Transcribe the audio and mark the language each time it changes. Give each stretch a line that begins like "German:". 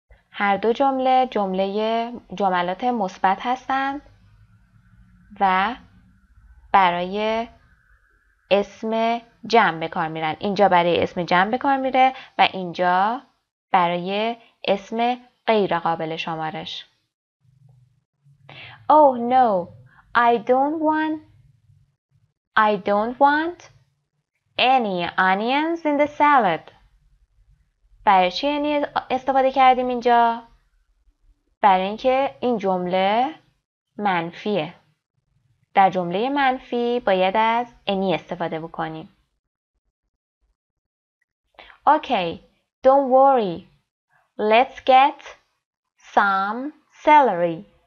Persian: هر دو جمله جملات مثبت هستند و برای اسم جمع به کار میرن. اینجا برای اسم جمع به کار میره و اینجا برای اسم غیر قابل شمارش.
English: Oh no, I don't want any onions in the salad.
Persian: برای چی any استفاده کردیم اینجا؟ برای اینکه این جمله منفیه. در جمله منفی باید از any استفاده بکنیم.
English: Okay, don't worry. Let's get some celery.